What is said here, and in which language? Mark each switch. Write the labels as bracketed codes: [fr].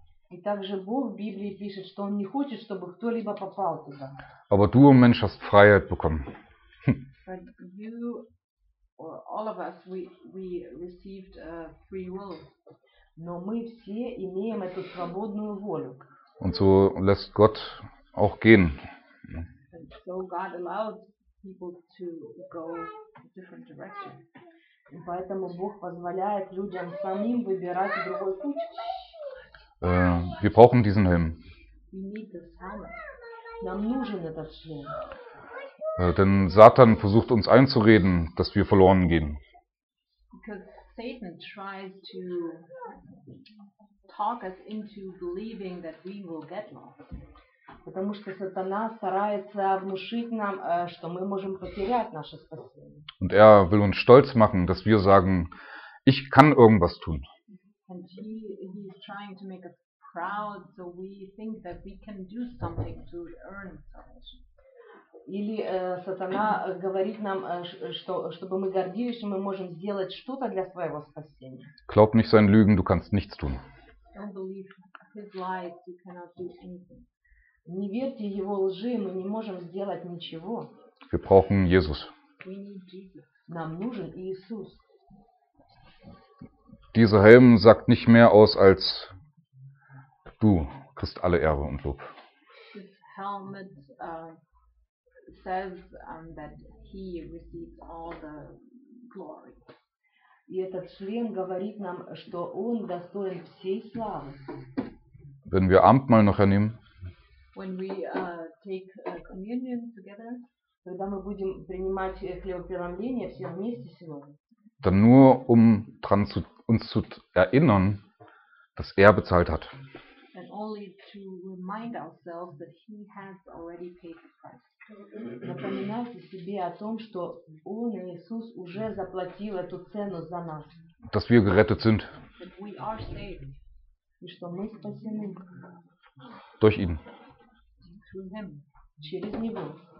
[ru] И также Бог в Библии пишет, что он не хочет, чтобы кто-либо попал туда. [de] Aber du, Mensch, hast Freiheit bekommen. [en] But you, or all of us, we received a free will. [ru] Но мы все имеем эту свободную волю. [de] Und so lässt Gott auch gehen. [en] So God allowed people to go a different direction. [ru] И поэтому Бог позволяет людям самим выбирать другой путь. [de] Wir brauchen diesen Helm. [en] We need this helmet. [ru] Нам нужен этот шлем. [de] Denn Satan versucht uns einzureden, dass wir verloren gehen. [en] Because Satan tries to talk us into believing that we will get lost. [ru] Потому что сатана старается внушить нам, что мы можем потерять наше спасение. [de] Und er will uns stolz machen, dass wir sagen, ich kann irgendwas tun. [en] And he's trying to make us proud, so we think that we can do something to earn salvation. [ru] Или сатана говорит нам, что чтобы мы гордились, что мы можем сделать что-то для своего спасения. [de] Glaub nicht seinen Lügen, du kannst nichts tun. [en] Don't believe his lies, you cannot do anything. [ru] Не верьте его лжи, мы не можем сделать ничего. [de] Wir brauchen Jesus. [en] We need Jesus. [ru] Нам нужен Иисус. [de] Dieser Helm sagt nicht mehr aus als du kriegst alle Ehre und Lob. [en] This helmet says that he receives all the glory. [ru] И этот шлем говорит нам, что он достоин всей славы. [de] Wenn wir Abendmahl noch ernehmen, [en] when we take communion together, [ru] когда мы будем принимать хлебопреломление все вместе сегодня, [de] dann nur um dran zu uns zu erinnern, dass er bezahlt hat. [en] And only to remind ourselves that he has already paid the price. [ru] Напоминайте себе о том, что он, Иисус, уже заплатил эту цену за нас. [de] Dass wir gerettet sind. [en] That we are saved. [ru] И что мы спасены. [de] Durch ihn. [ru] Через него.